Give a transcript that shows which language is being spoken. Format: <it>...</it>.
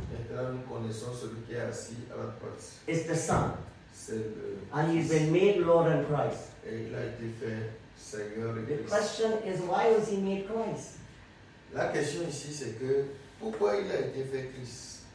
<fr>Maintenant, nous connaissons celui qui est assis à la droite.</fr> <en>It's the Son.</en> <fr>C'est le.</fr> <en>And he's been made Lord and Christ.</en> <fr>Et il a été fait Seigneur et Christ.</fr> <en>The question is, why was he made Christ?</en> <fr>La question ici, c'est que pourquoi il a été fait Christ?</fr>